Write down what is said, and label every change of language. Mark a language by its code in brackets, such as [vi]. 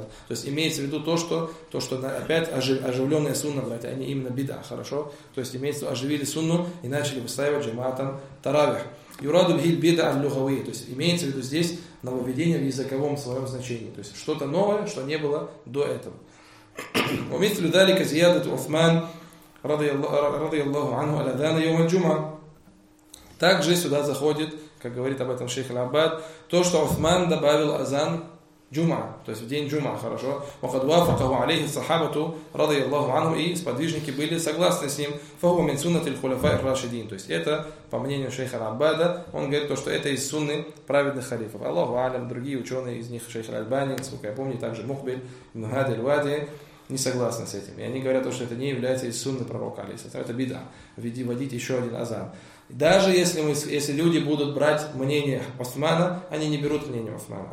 [ru] То есть имеется в виду то, что опять оживленная сунна, братья, они именно бид'а, хорошо? То есть имеется в виду, оживили сунну и начали выстаивать джамаатам таравих. Юраду бхиль бид'а люхавии, то есть имеется в виду здесь нововведение в языковом своем значении, то есть что-то новое, что не было до этого. [ar] ومثل ذلك زيادة عثمان رضي الله عنه على أذان يوم الجمعة. [ru] Также сюда заходит, как говорит об этом шейх Аббад, то, что Уثمان добавил азан Джума, то есть в день Джума, хорошо. [ar] وقد وافقه عليه الصحابة رضي الله عنه, [ru] и сподвижники были согласны с ним. [ar] فهو من سنة الخلفاء الراشدين. [ru] То есть это, по мнению шейха Аббада, он говорит то, что это из сунны праведных халифов. Аллаху алям, другие ученые из них, шейх Аль-Альбани, сколько я помню, также Мухбиль, Ибн Хади Аль-Вади, не согласны с этим. И они говорят то, что это не является из сунны пророка, алейхиссалям. Это бида, вводить еще один азан. Даже если люди будут брать мнение Уثمана, они не берут мнение Уثمана.